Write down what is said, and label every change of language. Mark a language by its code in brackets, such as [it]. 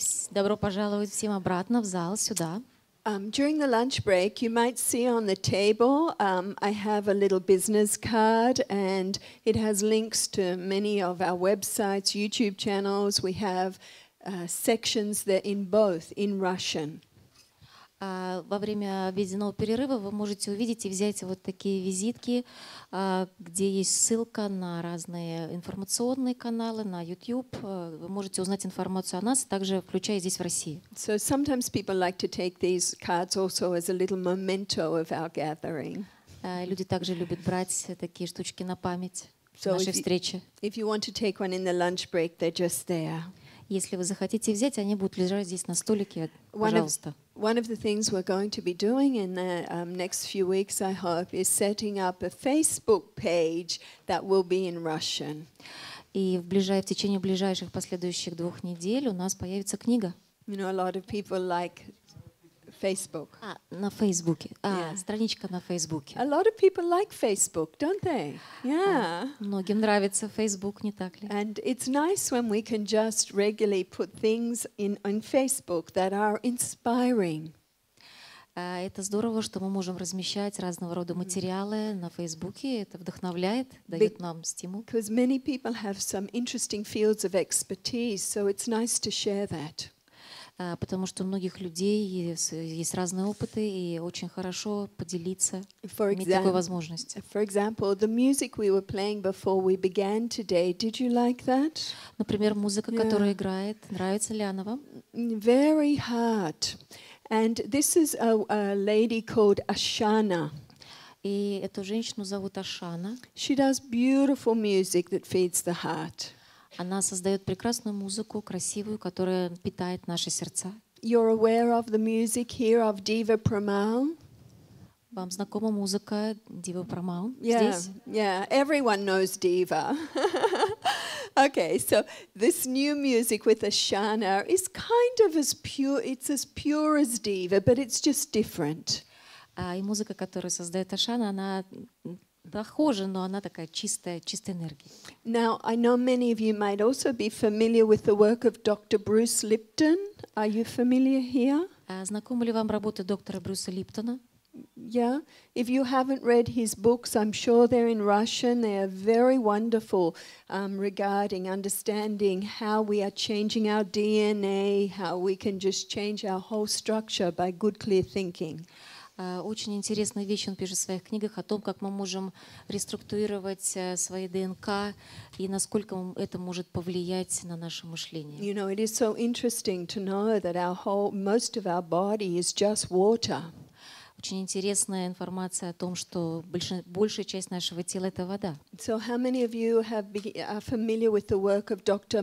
[ru] Добро пожаловать всем обратно в зал сюда. [en] During the lunch break, you might see on the table, I have a little business card, and it has links to many of our websites, YouTube channels. We have sections that in both in Russian. [ru] Во время обеденного перерыва вы можете увидеть и взять вот такие визитки, где есть ссылка на разные информационные каналы, на YouTube. Вы можете узнать информацию о нас, также включая здесь в России. [en] So sometimes people like to take these cards also as a little memento of our gathering. [ru] Люди также любят брать такие штучки на память нашей встречи. [en] If you want to take one in the lunch break, they're just there. [ru] Если вы захотите взять, они будут лежать здесь на столике, пожалуйста. [en] One of the things we're going to be doing in the next few weeks, I hope, is setting up a Facebook page that will be in Russian. [ru] И в течение ближайших последующих двух недель у нас появится книга. [en] You know, a lot of people like Facebook. [ru] На Фейсбуке. Страничка на Фейсбуке. [en] A lot of people like Facebook, don't they? Yeah. [ru] Многим нравится Фейсбук, не так ли? [en] And it's nice when we can just regularly put things in Facebook that are inspiring. [ru] Это здорово, что мы можем размещать разного рода материалы на Фейсбуке. Это вдохновляет, дает нам стимул. [en] Because many people have some interesting fields of expertise, so it's nice to share that. [ru] Потому что у многих людей есть разные опыты, и очень хорошо поделиться, иметь такую возможность. [en] For example, the music we were playing before we began today, did you like that? [ru] Например, музыка, которая играет, нравится ли она вам? [en] Very hard. And this is a lady called Ashana. [ru] И эту женщину зовут Ашана. [en] She does beautiful music that feeds the heart. [ru] Она создает прекрасную музыку, красивую, которая питает наши сердца. [en] You're aware of the music here of Diva Pramal? [ru] Вам знакома музыка Дивы Прамал? [en] Yeah, everyone knows Diva. Okay, so this new music with Ashana is kind of as pure, it's as pure as Diva, but it's just different. [ru] И музыка, которую создает Ашана, она похоже, но она такая чистая, чистая энергия. [en] Now, I know many of you might also be familiar with the work of Dr. Bruce Lipton. Are you familiar here? [ru] Знакомы ли вам работы доктора Брюса Липтона? [en] Yeah. If you haven't read his books, I'm sure they're in Russian. They are very wonderful regarding understanding how we are changing our DNA, how we can just change our whole structure by good, clear thinking. [ru] Очень интересная вещь он пишет в своих книгах о том, как мы можем реструктурировать свои ДНК и насколько это может повлиять на наше мышление. [en] You know, it is so interesting to know that our whole, most of our body is just water. [ru] Очень интересная информация о том, что большая часть нашего тела — это вода. [en] So how many of you are familiar with the work of Dr.